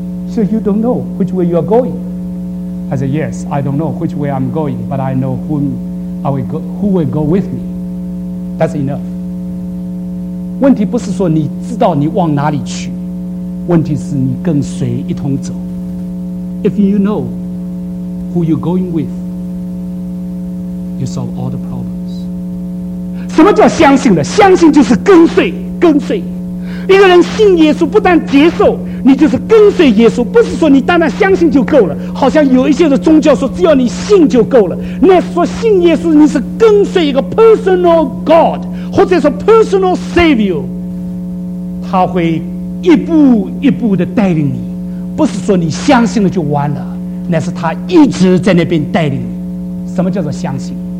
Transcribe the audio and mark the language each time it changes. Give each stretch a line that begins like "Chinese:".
English: So you don't know which way you are going. I said, yes, I don't know which way I'm going, but I know who will go with me. That's enough.
Chinese: 问题不是说你知道你往哪里去，问题是你跟谁一同走。
English: If you know who you're going with, you solve all the problems.
Chinese: 什么叫相信呢？相信就是跟随，跟随。一个人信耶稣，不但接受，你就是跟随耶稣，不是说你单单相信就够了。好像有一些的宗教说只要你信就够了，那是说信耶稣你是跟随一个
English: personal God，
Chinese: 或者说
English: personal Savior，
Chinese: 他会一步一步的带领你，不是说你相信了就完了，那是他一直在那边带领你。什么叫做相信？